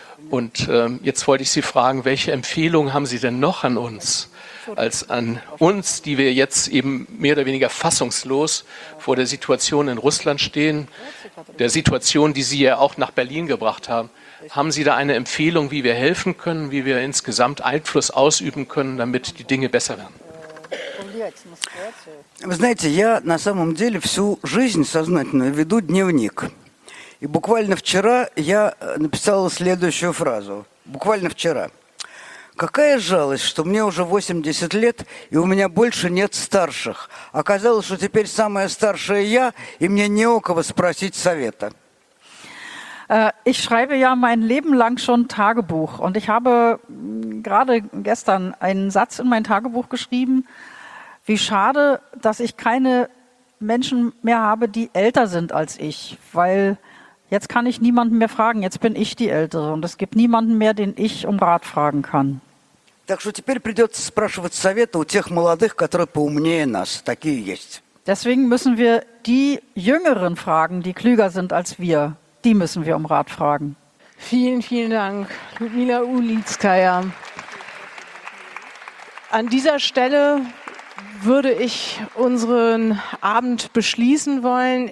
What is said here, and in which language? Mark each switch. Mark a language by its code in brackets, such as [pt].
[de] Und jetzt wollte ich Sie fragen, welche Empfehlungen haben Sie denn noch an uns, als an uns, die wir jetzt eben mehr oder weniger fassungslos vor der Situation in Russland stehen, der Situation, die Sie ja auch nach Berlin gebracht haben. Haben Sie da eine Empfehlung, wie wir helfen können, wie wir insgesamt Einfluss ausüben können, damit die Dinge besser werden? [ru] Вы знаете, я на самом деле всю жизнь сознательно веду дневник. И буквально вчера я написал следующую фразу. Буквально вчера. Какая жалость, что мне уже 80 лет, и у меня больше нет старших. Оказалось, что теперь самая старшая я, и мне не у кого спросить совета. [de] Ich schreibe ja mein Leben lang schon Tagebuch. Und ich habe gerade gestern einen Satz in mein Tagebuch geschrieben. Wie schade, dass ich keine Menschen mehr habe, die älter sind als ich. Weil jetzt kann ich niemanden mehr fragen. Jetzt bin ich die Ältere. Und es gibt niemanden mehr, den ich um Rat fragen kann. [ru] Так что теперь придется спрашивать совета у тех молодых, которые поумнее нас. Такие есть. [de] Deswegen müssen wir die Jüngeren fragen, die klüger sind als wir. Die müssen wir um Rat fragen. Vielen, vielen Dank, Ludmila Ulitskaya. An dieser Stelle würde ich unseren Abend beschließen wollen.